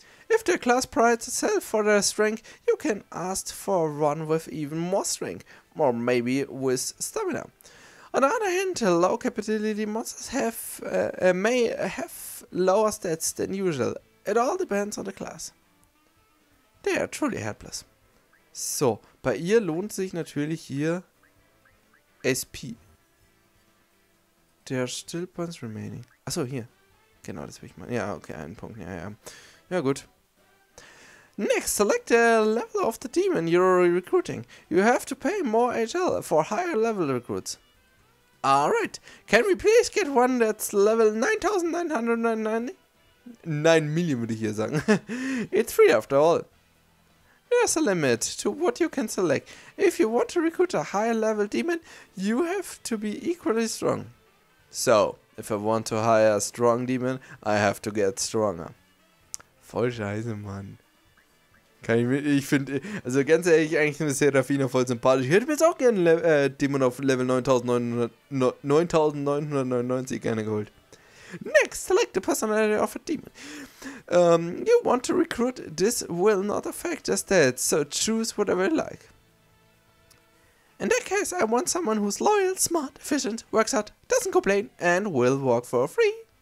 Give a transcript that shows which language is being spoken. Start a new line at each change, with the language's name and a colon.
English: If their class prides itself for their strength, you can ask for one with even more strength, or maybe with stamina. On the other hand, low capability monsters may have lower stats than usual. It all depends on the class. They are truly helpless.
German: So, bei ihr lohnt sich natürlich hier SP.
English: There are still points remaining.
German: Achso, hier. Genau, das will ich mal. Ja, okay, einen Punkt. Ja, ja. Ja, gut.
English: Next, select the level of the demon you're recruiting. You have to pay more HL for higher level recruits. Alright. Can we please get one that's level 9999? 9 Millionen würde ich hier sagen. It's free after all. There's a limit to what you can select. If you want to recruit a higher level demon, you have to be equally strong. So, if I want to hire a strong demon, I have to get stronger.
German: Voll scheiße, Mann. Kann ich mir, ich finde, also ganz ehrlich, eigentlich eine Seraphina voll sympathisch. Ich hätte mir jetzt auch gerne Demon auf Level 9999 gerne geholt.
English: Next, select the personality of a demon. You want to recruit, this will not affect the stats, so choose whatever you like. In that case, I want someone who's loyal, smart, efficient, works hard, doesn't complain, and will work for free.